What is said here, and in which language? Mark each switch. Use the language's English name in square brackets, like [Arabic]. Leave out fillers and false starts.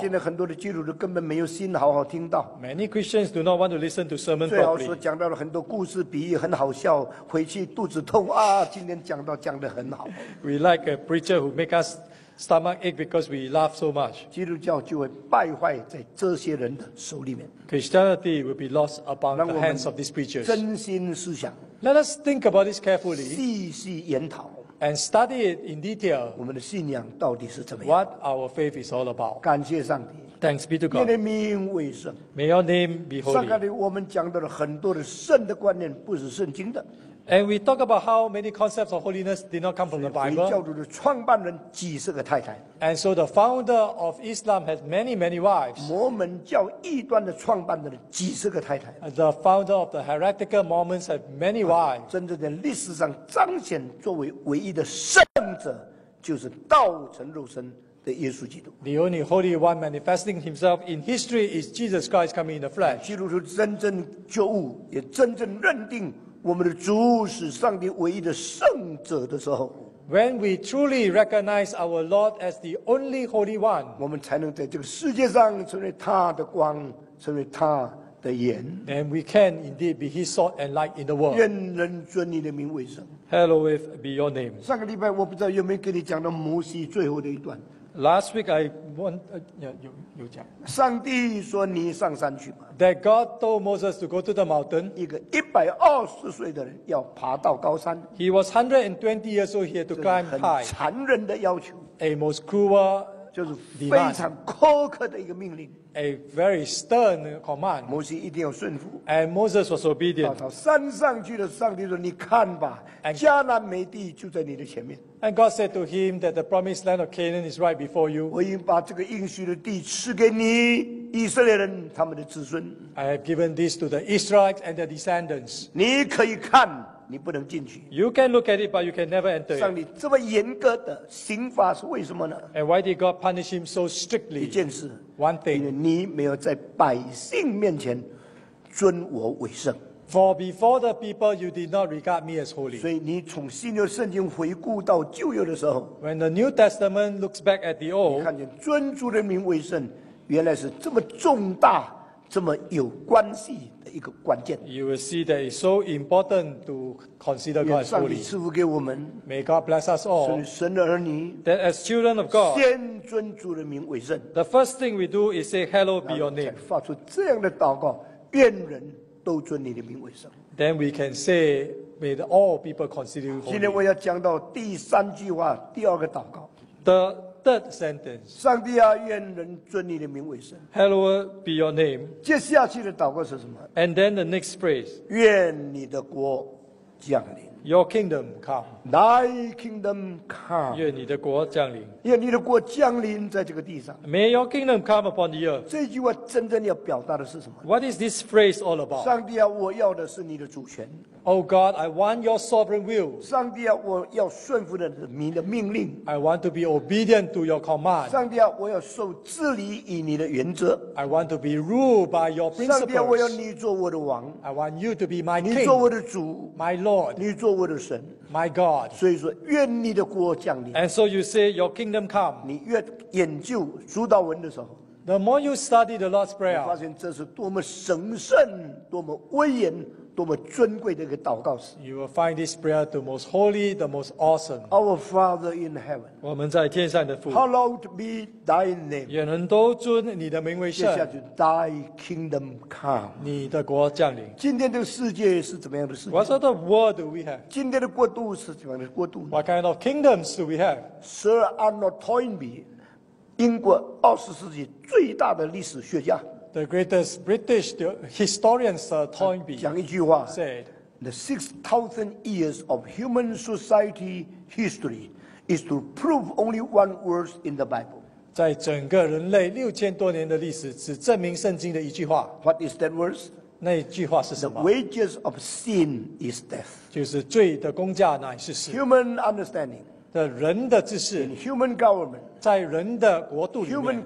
[Chinese] 现在很多的基督徒根本没有心好好听到。 [English] Many Christians do not want to listen to sermon properly。 [Chinese] 最好说讲到了很多故事比喻很好笑，回去肚子痛啊！今天讲到讲得很好。 [English] We like a preacher who make us stomach ache because we laugh so much. [Chinese] 基督教就会败坏在这些人的手里面。 [English] Christianity will be lost upon the hands of these preachers. [Chinese] 真心思想。 [English] Let us think about this carefully. [Chinese] 细细研讨。 [English] And study it in detail. [Chinese] 我们的信仰到底是怎么样 [English] ？What our faith is all about. [Chinese] 感谢上帝。 [English] Thanks be to God. [Chinese] 愿你名为圣。 [English] May your name be holy. [Chinese] 上个月我们讲到了很多的圣的观念，不是圣经的。 [English] And we talk about how many concepts of holiness did not come from the Bible. [Chinese] 教主的创办人几十个太太。 [English] And so the founder of Islam has many, many wives. [Chinese] 摩门教异端的创办人几十个太太。 [English] The founder of the heretical Mormons has many wives. [Chinese] 真正在历史上彰显作为唯一的圣者，就是道成肉身。 [English] The only Holy One manifesting Himself in history is Jesus Christ coming in the flesh. [Chinese] 基督徒真正觉悟，也真正认定我们的主是上帝唯一的圣者的时候 [English] ，When we truly recognize our Lord as the only Holy One， [Chinese] 我们才能在这个世界上成为他的光，成为他的盐。 [English] And we can indeed be His salt and light in the world. [Chinese] 愿人尊你的名为圣。 [English] Hallowed be Your name. [Chinese] 上个礼拜我不知道有没有跟你讲到摩西最后的一段。 [English] Last week I want [Chinese] 有讲。上帝说你上山去吧。 [English] That God told Moses to go to the mountain. [Chinese] 一个120岁的人要爬到高山。 [English] He was 120 years old. He had to climb high. [Chinese] 很残忍的要求。 [English] A most cruel [Chinese] 就是非常苛刻的一个命令。 [English] A very stern command. [Chinese] 摩西一定要顺服。 [English] And Moses was obedient. [Chinese] 到山上去的上帝说：“你看吧，迦南美地就在你的前面。” [English] And God said to him that the promised land of Canaan is right before you. [Chinese] 我已经把这个应许的地赐给你以色列人他们的子孙。 [English] I have given this to the Israelites and their descendants. [Chinese] 你可以看。你不能进去。 [English] You can look at it, but you can never enter it. [Chinese] 上帝这么严格的刑罚是为什么呢 [English] ？And why did God punish him so strictly? [Chinese] 一件事 [English] ，one thing， [Chinese] 因为你没有在百姓面前尊我为圣。 [English] For before the people, you did not regard me as holy. [Chinese] 所以你从新约圣经回顾到旧约的时候 [English] ，When the New Testament looks back at the old， [Chinese] 你看见尊主的名为圣，原来是这么重大、这么有关系。一个关键 [English] You will see that it's so important to consider God's holy. [Chinese] 愿上帝赐福给我们 [English] May God bless us all. [Chinese] 所以神的儿女 [English] That as children of God, [Chinese] 先尊主的名为圣 [English] The first thing we do is say, "Hallowed be Your name." [Chinese] 发出这样的祷告，愿人都尊你的名为圣 [English] Then we can say, "May all people consider you holy." [Chinese] 今天我要讲到第三句话，第二个祷告 [English] The third sentence. [Chinese] 上帝啊，愿人尊你的名为圣。 [English] Hallowed be your name. [Chinese] 接下去的祷告是什么 [English] ？And then the next phrase. [Chinese] 愿你的国降临。 [English] Your kingdom come. Thy kingdom come. [Chinese] 愿你的国降临。愿你的国降临在这个地上。 [English] May your kingdom come upon the earth. [Chinese] 这句话真正要表达的是什么 [English] ？What is this phrase all about? [Chinese] 上帝啊，我要的是你的主权。 [English] Oh God, I want your sovereign will. [Chinese] 上帝啊，我要顺服你的命令。 [English] I want to be obedient to your command. [Chinese] 上帝啊，我要受治理以你的原则。 [English] I want to be ruled by your principles. [Chinese] 上帝啊，我要你做我的王。 [English] I want you to be my king. [Chinese] 你做我的主。 [English] My Lord. [Chinese] 你做我的神。 [English] My God. [Chinese] 所以说，愿你的国降临。 [English] And so you say, your kingdom come. [Chinese] 你越研究主祷文的时候。 [English] The more you study the Lord's Prayer. [Chinese] 你发现这是多么神圣，多么威严。多么尊贵的一个祷告词 [English] You will find this prayer the most holy, the most awesome. Our Father in heaven. [Chinese] 我们在天上的父 [English] Hallowed be thy name. [Chinese] 愿人都尊你的名为圣。接下去 [English] ，Thy kingdom come. [Chinese] 你的国降临。今天的世界是怎么样的世界 [English] ？What sort of world do we have? [Chinese] 今天的国度是怎么样的国度 [English] ？What kind of kingdoms do we have? [Chinese] Sir Arnold Toynbee, 英国20世纪最大的历史学家。 [English] The greatest British historian Sir Toynbee [Chinese] 讲一句话 [English] said, "The 6,000 years of human society history is to prove only one word in the Bible." [Chinese] 在整个人类6000多年的历史，只证明圣经的一句话。 [English] What is that word? [Chinese] 那句话是什么 [English] ？The wages of sin is death. [Chinese] 就是罪的工价乃是死。 [English] Human understanding. [Chinese] 的人的知识。 [English] In human government. [Chinese] 在人的国度里面。